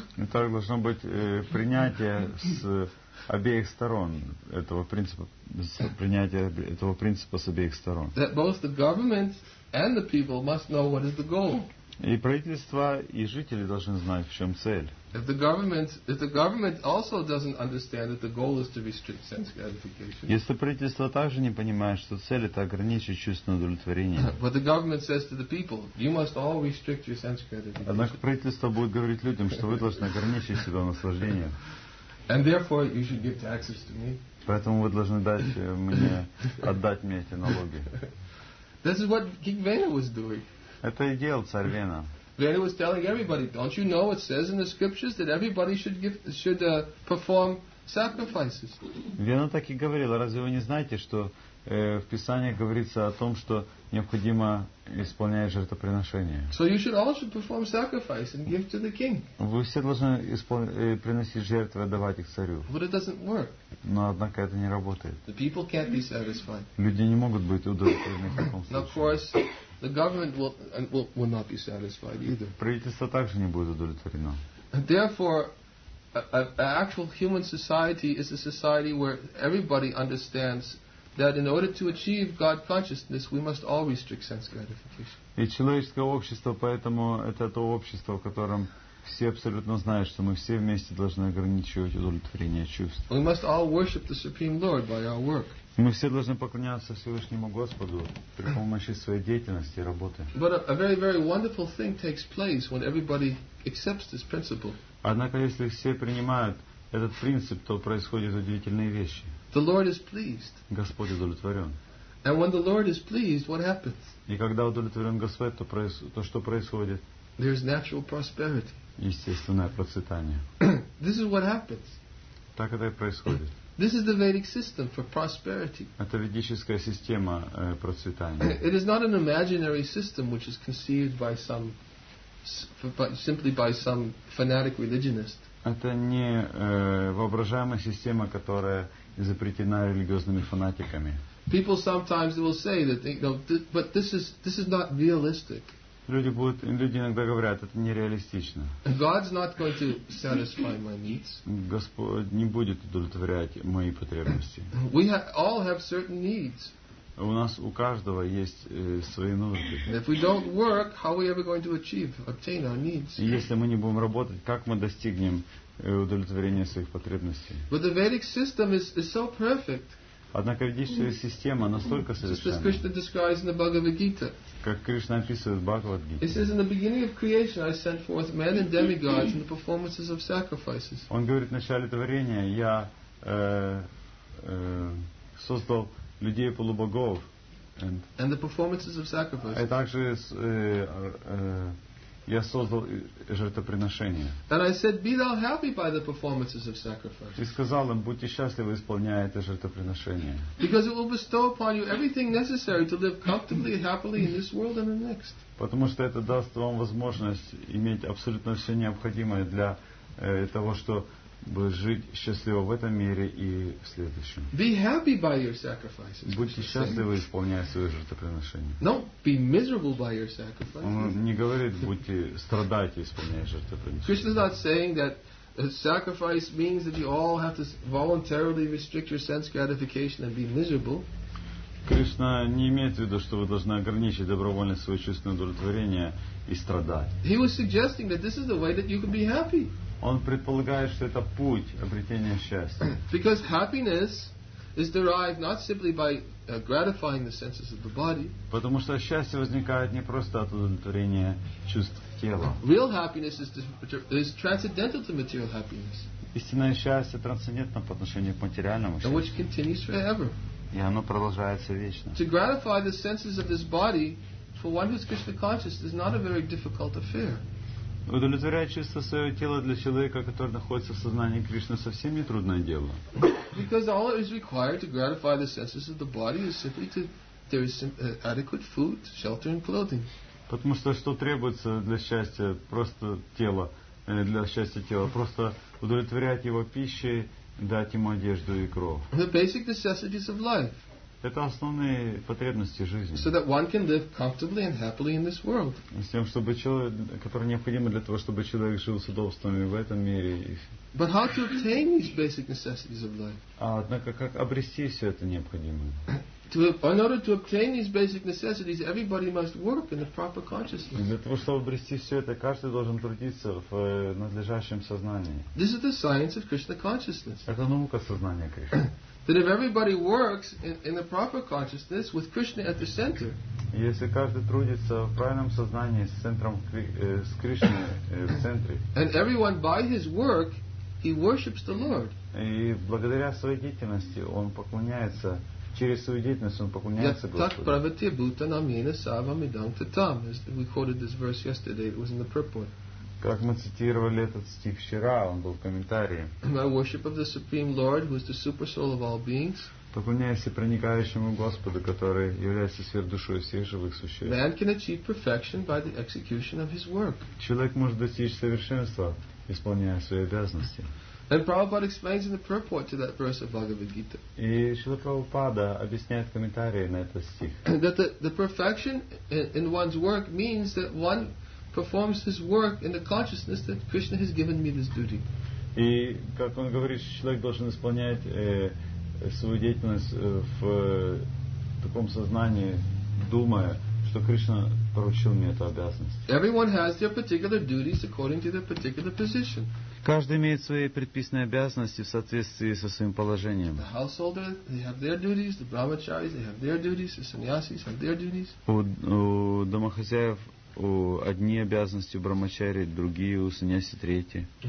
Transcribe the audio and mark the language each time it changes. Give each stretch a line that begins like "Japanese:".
Russian: Итак, должно быть принятие с обеих сторон этого принципа, принятие этого принципа с обеих сторон.
English: That both the government and the people must know what is the goal.
Russian: И правительство, и жители должны знать, в чем цель.
English: If the government also doesn't understand that the goal is to restrict sense gratification.
Russian: Если правительство также не понимает, что цель это ограничить чувственное удовлетворение.
English: But the government says to the people, you must all restrict your sense gratification.
Russian: Однако правительство будет говорить людям, что вы должны ограничить себя наслаждением.
English: And therefore you should give taxes to me.
Russian: Поэтому вы должны отдать мне эти налоги.
English: This is what King Vena was doing.
Russian: Это и делал царь Вена.
English: Vena was telling everybody, don't you know it says in the scriptures that everybody should perform sacrifices?
Russian: Вена так и говорил, разве вы не знаете, что в Писании говорится о том, что необходимо исполнять жертвоприношение?
English: So you should all should perform sacrifice and give to the king.
Russian: Вы все должны приносить жертвы, отдавать их царю.
English: But it doesn't work.
Russian: Но однако это не работает.
English: The people can't be satisfied.
Russian: Люди не могут быть удовлетворены в таком случае.
English: Of course, the government will not be satisfied either.
Russian: Правительство также не будет удовлетворено.
English: Therefore, an actual human society is a society where everybody understands that in order to achieve God consciousness, we must all restrict sense gratification.
Russian: И человеческое общество поэтому это то общество, в котором все абсолютно знают, что мы все вместе должны ограничивать удовлетворение чувств.
English: We must all worship the Supreme Lord by our work.
Russian: Мы все должны поклоняться Всевышнему Господу при помощи своей деятельности и работы.
English: But a very, very wonderful thing takes place when everybody accepts this principle.
Russian: Однако, если все принимают этот принцип, то происходят удивительные вещи.
English: The Lord is pleased.
Russian: Господь удовлетворен.
English: And when the Lord is pleased, what happens?
Russian: И когда удовлетворен Господь, то что происходит?
English: There is natural prosperity.
Russian: Естественное процветание.
English: This is what happens.
Russian: Так это и происходит.
English: This is the Vedic system for prosperity.
Russian: Это ведическая система процветания.
English: It is not an imaginary system which is conceived by some, simply by some fanatic religionist.
Russian: Это не воображаемая система, которая изобретена религиозными фанатиками.
English: People sometimes will say that they, you know, but this is not realistic.
Russian: Люди иногда говорят, это нереалистично.
English: God's not going to satisfy my needs.
Russian: Господь не будет удовлетворять мои потребности.
English: We all have certain needs.
Russian: У нас у каждого есть свои нужды.
English: If we don't work, how are we ever going to obtain our needs?
Russian: Если мы не будем работать, как мы достигнем удовлетворения своих потребностей?
English: But the Vedic system is so perfect.
Russian: Однако ведическая система настолько совершенна, как Кришна описывает в Бхагавад-гите.
English: He says, in the beginning of creation, I sent forth men and demigods in the performances of sacrifices.
Russian: Он говорит, в начале творения я создал людей полубогов.
English: And the performances of sacrifices.
Russian: И также я создал жертвоприношение.
English: And I said, be thou happy by the performances of sacrifice.
Russian: И сказал им, будьте счастливы, исполняя это жертвоприношение.
English: Because it will bestow upon you everything necessary to live comfortably and happily in this world and the next.
Russian: Потому что это даст вам возможность иметь абсолютно все необходимое для того, чтобы жить счастливо в этом мире и в следующем.
English: Be happy by your sacrifices.
Russian: Будьте счастливы, исполняя свое жертвоприношение.
English: No, be miserable by your sacrifices.
Russian: Он не говорит, будьте страдайте, исполняя жертвоприношение.
English: Krishna is not saying that sacrifice means that you all have to voluntarily restrict your sense gratification and be miserable.
Russian: Кришна не имеет в виду, что вы должны ограничить добровольно свое чувственное удовлетворение и страдать.
English: He was suggesting that this is the way that you can be happy.
Russian: Он предполагает, что это путь обретения счастья.
English: Because happiness is derived not simply by gratifying the senses of the body.
Russian: Потому что счастье возникает не просто от удовлетворения чувств тела.
English: Real happiness is transcendental to material happiness.
Russian: Истинное счастье трансцендентно по отношению к материальному счастью.
English: Which continues forever.
Russian: И оно продолжается вечно.
English: To gratify the senses of this body for one who is Krishna conscious is not a very difficult affair.
Russian: Удовлетворять чувство своего тела для человека, который находится в сознании Кришны, совсем не трудное дело.
English: Because all that is required to gratify the senses of the body is simply to there is adequate food, shelter and clothing.
Russian: Потому что что требуется для счастья просто тело, для счастья тела, просто удовлетворять его пищей, дать ему одежду и кровь.
English: The basic necessities of life.
Russian: Это основные потребности жизни.
English: So that one can live comfortably and happily in this world.
Russian: С тем, чтобы человек, который необходим для того, чтобы человек жил с удобствами в этом мире.
English: But how to obtain these basic necessities of life?
Russian: А однако как обрести все это необходимое?
English: In order to obtain these basic necessities, everybody must work in the proper consciousness.
Russian: Для того, чтобы обрести все это, каждый должен трудиться в надлежащем сознании.
English: This is the science of Krishna consciousness.
Russian: Это наука сознания Кришны.
English: That if everybody works in the proper consciousness with Krishna at the center.
Russian: Если каждый трудится в правильном сознании с центром с Кришной в центре.
English: And everyone by his work, he worships the Lord.
Russian: И благодаря своей деятельности он поклоняется. Через свою деятельность он поклоняется Господу.
Sanskrit: Так правите бутанам ена савам идам татам.
English: As we quoted this verse yesterday, it was in the purport.
Russian: Как мы цитировали этот стих вчера, он был в комментарии.
English: My worship of the Supreme Lord, who is the super soul of all beings.
Russian: Поклоняйся проникающему Господу, который является сверхдушой всех живых существ.
English: Man can achieve perfection by the execution of his work.
Russian: Человек может достичь совершенства, исполняя свои обязанности.
English: And Prabhupada explains in the purport to that verse of Bhagavad Gita.
Russian: И Шрила Прабхупада объясняет комментарии на этот стих.
English: That the perfection in one's work means that one performs his work in the consciousness that Krishna has given me this duty.
Russian: И как он говорит, человек должен исполнять свою деятельность в таком сознании, думая, что Кришна поручил мне эту обязанность.
English: Everyone has their particular duties according to their particular position.
Russian: Каждый имеет свои предписанные обязанности в соответствии со своим положением.
English: The householder, they have their duties. The brahmacharis, they have their duties. The sannyasis have their duties.
Russian: У домохозяев у одни обязанности, у брахмачари другие, у сняси третьи.